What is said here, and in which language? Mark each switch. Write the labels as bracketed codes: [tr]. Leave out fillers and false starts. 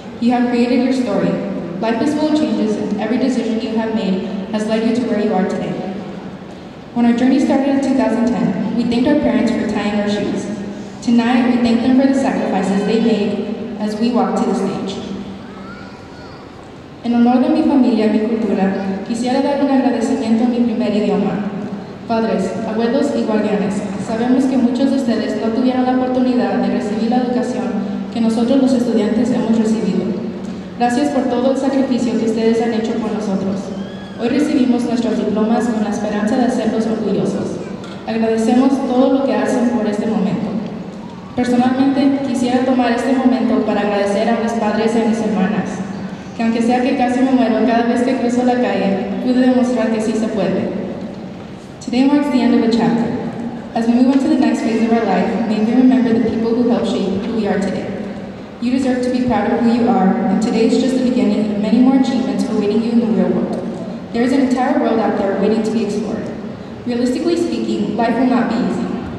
[en] You have created your story. Life is full of changes, and every decision you have made has led you to where you are today. When our journey started in 2010, we thanked our parents for tying our shoes. Tonight, we thank them for the sacrifices they made as we walked to the stage. [es] En honor de mi familia y mi cultura, quisiera dar un agradecimiento a mi primer idioma. Padres, abuelos y guardianes, sabemos que muchos de ustedes no tuvieron la oportunidad de recibir la educación que nosotros los estudiantes hemos recibido. Gracias por todo el sacrificio que ustedes han hecho por nosotros. Hoy recibimos nuestros diplomas con la esperanza de hacerlos orgullosos. Agradecemos todo lo que hacen por este momento. Personalmente, quisiera tomar este momento para agradecer a mis padres y a mis hermanas, que aunque sea que casi me muero cada vez que cruzo la calle, pude demostrar que sí se puede. [en] Today marks the end of a chapter. As we move on to the next phase of our life, may we remember the people who helped shape who we are today. You deserve to be proud of who you are, and today is just the beginning of many more achievements awaiting you in the real world. There is an entire world out there waiting to be explored. Realistically speaking, life will not be easy.